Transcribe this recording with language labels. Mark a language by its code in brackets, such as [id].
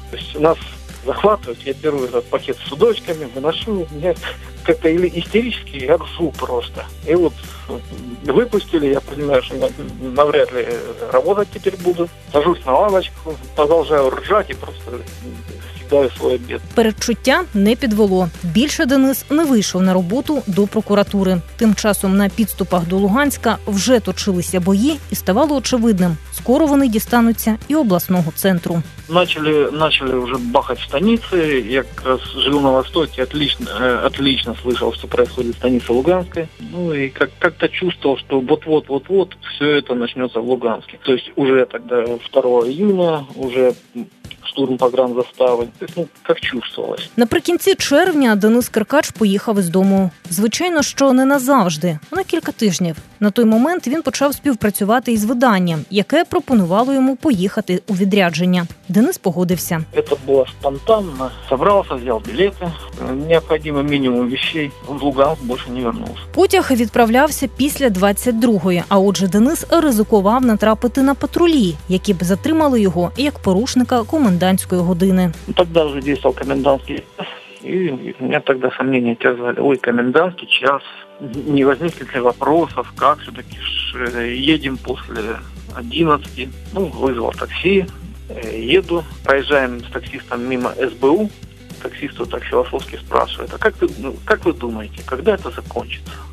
[ru] То есть у нас захватывают, я беру этот пакет с судочками, выношу, у меня как-то или истерически, я ржу просто. И вот выпустили, я понимаю, что навряд ли работать теперь буду. Сажусь на лавочку, продолжаю ржать и просто съедаю свой обед. [uk] Передчуття не підвело. Більше Денис не вийшов на роботу до прокуратури. Тим часом на підступах до Луганська вже точилися бої і ставало очевидним, скоро вони дістануться і обласного центру. Начали вже бахати в станиці. Я якраз жив на Востокі, [ru] отлично слышав, [uk] що відбувається в станиці Луганської. [ru] Ну і как-то чувствовал, что вот-вот-вот-вот все это начнется в Луганске. То есть уже тогда 2 июня, уже штурм погранзаставы. Ну, как чувствовалось. [uk] Наприкінці червня Денис Киркач поїхав із дому. Звичайно, що не назавжди, а на кілька тижнів. На той момент він почав співпрацювати із виданням, яке пропонувало йому поїхати у відрядження. Денис погодився. Це було спонтанно. Собрався, взяв білети. Необхідний мінімум вещей. В Луганськ більше не повернувся. Потяг відправлявся після 22-ї. А отже, Денис ризикував натрапити на патрулі, які б затримали його як порушника комендантської години. Тоді вже дійсно комендантський час. І в мене тоді сумнення тягали. Ой, комендантський час. [ru] Не возникли ли вопросов, как все-таки едем после 11. Ну, вызвал такси, еду. Проезжаем с таксистом мимо СБУ. Таксист вот так философски спрашивает, а как вы думаете, когда это закончится?